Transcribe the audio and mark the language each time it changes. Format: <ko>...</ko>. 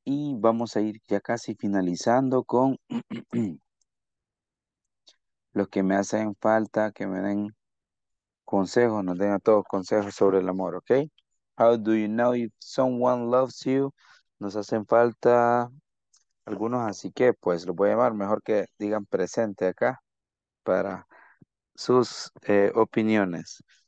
<es>Y vamos a ir ya casi finalizando con los que me hacen falta, que me den consejos, nos den a todos consejos sobre el amor, ¿ok?</es> <en>How do you know if someone loves you?</en> <es>Nos hacen falta algunos, así que pues los voy a llamar, mejor que digan presente acá para sus opiniones.</es>